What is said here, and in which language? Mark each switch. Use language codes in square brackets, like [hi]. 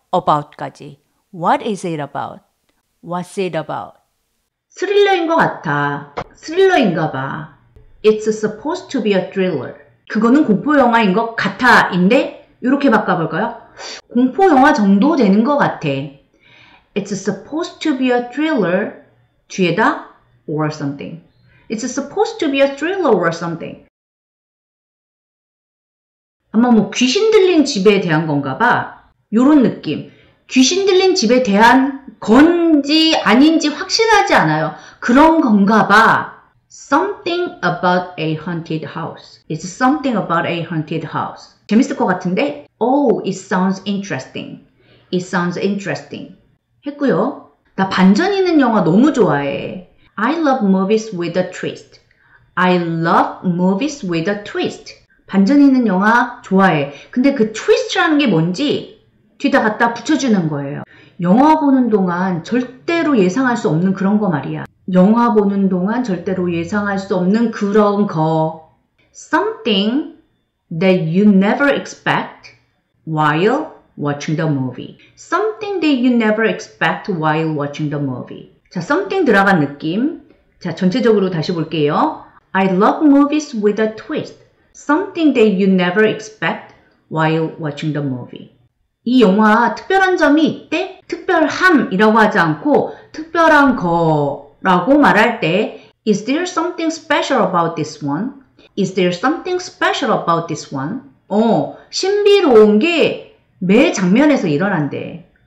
[en] About까지. What is it about? What's it about? [ko] 스릴러인 것 같아. 스릴러인가 봐. [en] It's supposed to be a thriller. [ko] 그거는 공포영화인 것 같아인데 이렇게 바꿔볼까요? 공포영화 정도 되는 것 같아. [en] It's supposed to be a thriller [ko] 뒤에다 [en] or something. It's supposed to be a thriller or something. [ko] 아마 뭐 귀신 들린 집에 대한 건가 봐. 요런 느낌. 귀신 들린 집에 대한 건지 아닌지 확실하지 않아요. 그런 건가 봐. [en] Something about a haunted house. It's something about a haunted house. [ko] 재밌을 것 같은데? [en] Oh, it sounds interesting. It sounds interesting. [ko] 했고요. 나 반전 있는 영화 너무 좋아해. [en] I love movies with a twist. I love movies with a twist. [ko] 반전 있는 영화 좋아해. 근데 그 트위스트라는 게 뭔지 뒤다 갖다 붙여주는 거예요. 영화 보는 동안 절대로 예상할 수 없는 그런 거 말이야. 영화 보는 동안 절대로 예상할 수 없는 그런 거. [en] Something that you never expect while watching the movie. Something that you never expect while watching the movie. [ko] 자, something 들어간 느낌. 자, 전체적으로 다시 볼게요. [en] I love movies with a twist. Something that you never expect while watching the movie. [ko] 이 영화 특별한 점이 있대? 특별함이라고 하지 않고 특별한 거라고 말할 때 [en] Is there something special about this one? Is there something special about this one? [ko] 신비로운 게 매 장면에서 일어난대.